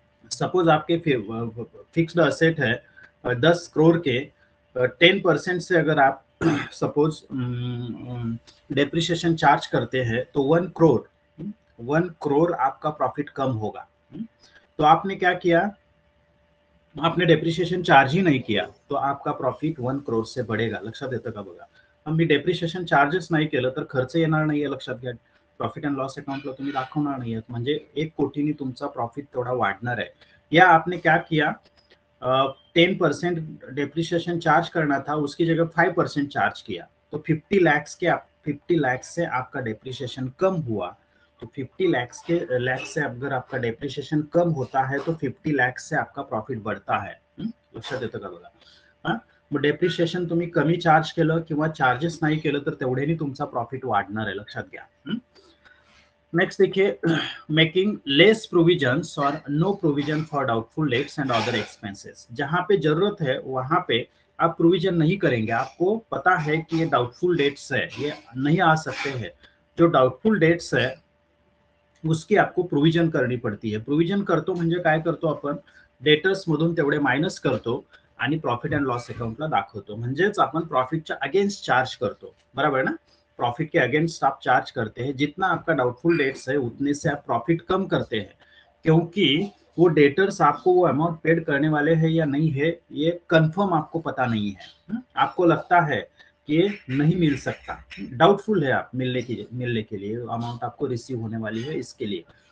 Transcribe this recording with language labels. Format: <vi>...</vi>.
<hi>Suppose आपके fixed asset है 10 करोड़ के, 10% से अगर आप सपोज डेप्रिसिएशन चार्ज करते हैं तो 1 करोड़ आपका प्रॉफिट कम होगा। तो आपने क्या किया, आपने डेप्रिसिएशन चार्ज ही नहीं किया तो आपका प्रॉफिट 1 करोड़ से बढ़ेगा।</hi> <mr>लक्षात येतं का बघा, आम्ही डेप्रिसिएशन चार्जेस नाही केलं तर खर्च येणार नाही आहे, लक्षात घ्या। प्रॉफिट अँड लॉस अकाउंटला तुम्ही दाखवणार नाही आहात, म्हणजे 1 कोटीनी तुमचा प्रॉफिट थोडा वाढणार आहे।</mr> <hi>या आपने क्या किया, 10% डेप्रिसिएशन चार्ज करना था उसकी जगह 5% चार्ज किया, तो 50 लाख के 50 लाख से आपका डेप्रिसिएशन कम हुआ। तो 50 लाख से अगर आपका डेप्रिसिएशन कम होता है तो 50 लाख से आपका प्रॉफिट बढ़ता है।</hi> <mr>लक्षात येतं का बघा, डेप्रिसिएशन तुम्ही कमी चार्ज केलं किंवा चार्जेस नाही केलं तर तेवढ्यानी तुमचा प्रॉफिट वाढणार आहे, लक्षात घ्या।</mr> <en>next</en> <hi>देखिए,</hi> <en>Making less provisions और no provision for doubtful debts and other expenses.</en> <hi>जहां पे जरूरत है वहां पे आप प्रोविजन नहीं करेंगे, आपको पता है कि ये डाउटफुल डेट्स है, ये नहीं आ सकते हैं। जो डाउटफुल डेट्स है उसकी आपको प्रोविजन करनी पड़ती है।</hi> <mr>प्रोविजन करतो म्हणजे काय करतो आपण, डेटर्स मधून तेवढे मायनस करतो आणि प्रॉफिट अँड लॉस अकाउंटला दाखवतो, म्हणजेच आपण प्रॉफिटच्या अगेन्स्ट चार्ज करतो, बरोबर ना?</mr> <hi>प्रॉफिट के अगेन्स्ट आप चार्ज करते हैं, जितना आपका डाउटफुल डेट्स है उतने से आप प्रॉफिट कम करते हैं, क्योंकि वो डेटर्स आपको वो अमाउंट पेड करने वाले हैं या नहीं है ये कंफर्म आपको पता नहीं है, आपको लगता है कि ये नहीं मिल सकता, डाउटफुल है आप मिलने के लिए अमाउंट आपको रिसीव होने वाली है इसके लिए।</hi>